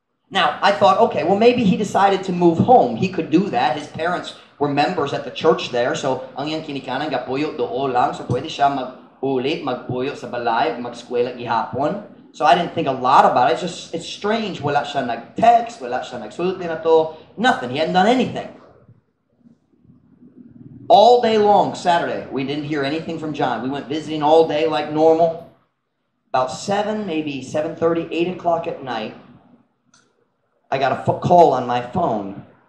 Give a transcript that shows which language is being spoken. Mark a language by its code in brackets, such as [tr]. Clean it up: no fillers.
[en] Now, I thought, okay, well, maybe he decided to move home. He could do that. His parents were members at the church there. So, [ceb] ang iyang kinikanan, gapuyo doon lang. So, pwede siya mag-ulit, magpuyo sa balay, mag-skwela gihapon. [en] So, I didn't think a lot about it. It's strange. [ceb] Wala siya nag-text, wala siya nag-sulti na to. [en] Nothing. He hadn't done anything. All day long, Saturday, we didn't hear anything from John. We went visiting all day like normal. About 7, maybe 7:30, 8 o'clock at night, I got a call on my phone.